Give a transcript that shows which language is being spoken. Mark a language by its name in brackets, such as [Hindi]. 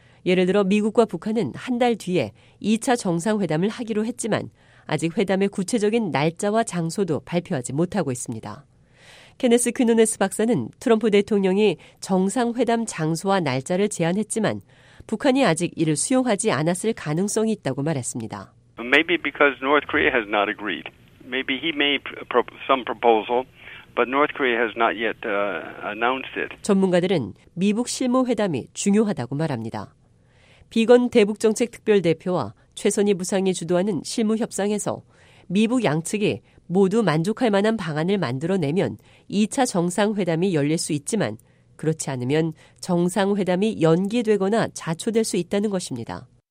[Korean] 예를 들어 미국과 북한은 한 달 뒤에 2차 정상회담을 하기로 했지만 아직 회담의 구체적인 날짜와 장소도 발표하지 못하고 있습니다. 케네스 퀴노네스 박사는 트럼프 대통령이 정상회담 장소와 날짜를 제안했지만 북한이 아직 이를 수용하지 않았을 가능성이 있다고 말했습니다. [English] Maybe because North Korea has not agreed. Maybe he made some proposal, but North Korea has not yet announced it. [Korean] 전문가들은 미북 실무 회담이 중요하다고 말합니다. 비건 대북정책특별대표와 최선희 부상이 주도하는 실무 협상에서 미북 양측이 모두 만족할 만한 방안을 만들어내면 2차 정상회담이 열릴 수 있지만 그렇지 않으면 정상회담이 연기되거나 자초될 수 있다는 것입니다.